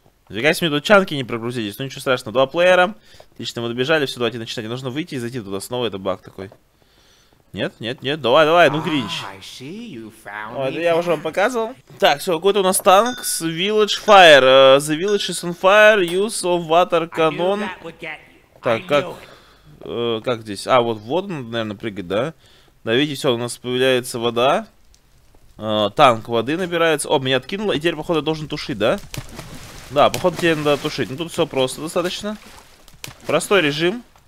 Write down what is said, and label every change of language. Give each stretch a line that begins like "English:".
Russian: Нифига себе, мне тут чанки не прогрузились, но ничего страшного. Два плеера. Отлично, мы добежали, все, давайте начинать. Нужно выйти и зайти туда снова, это баг такой. Нет, нет, нет, давай, давай, ну Гринч. О, это я уже вам показывал. Так, все, какой-то у нас танк с Village Fire.
English: The Village is on fire, use of water cannon.
Russian: Так, как здесь? А, вот воду надо, наверное, прыгать, да? Да, видите, все, у нас появляется вода. Танк воды набирается. О, меня откинуло, и теперь, походу, должен тушить, да? Да, походу, тебе надо тушить. Ну, тут все просто достаточно. Простой режим.